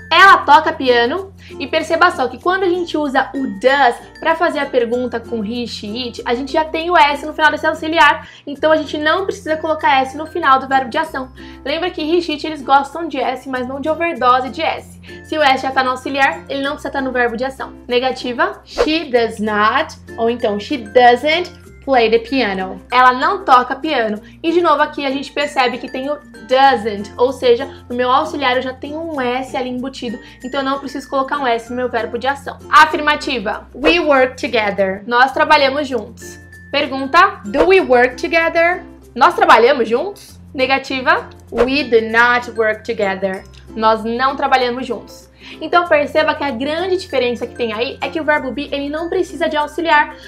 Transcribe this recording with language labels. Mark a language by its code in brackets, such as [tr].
[pt] Ela toca piano? E perceba só que quando a gente usa o does para fazer a pergunta com he, she, it, a gente já tem o s no final desse auxiliar, então a gente não precisa colocar s no final do verbo de ação. Lembra que he, she, it, eles gostam de s, mas não de overdose de s. Se o s já tá no auxiliar, ele não precisa estar no verbo de ação. Negativa: [en] she does not, [pt] ou então [en] she doesn't play the piano. [pt] Ela não toca piano. E de novo aqui a gente percebe que tem o doesn't, ou seja, no meu auxiliar eu já tenho um S ali embutido, então eu não preciso colocar um S no meu verbo de ação. [en] Afirmativa: we work together. [pt] Nós trabalhamos juntos. Pergunta: [en] do we work together? [pt] Nós trabalhamos juntos? Negativa: [en] we do not work together. [pt] Nós não trabalhamos juntos. Então perceba que a grande diferença que tem aí é que o verbo be, ele não precisa de auxiliar.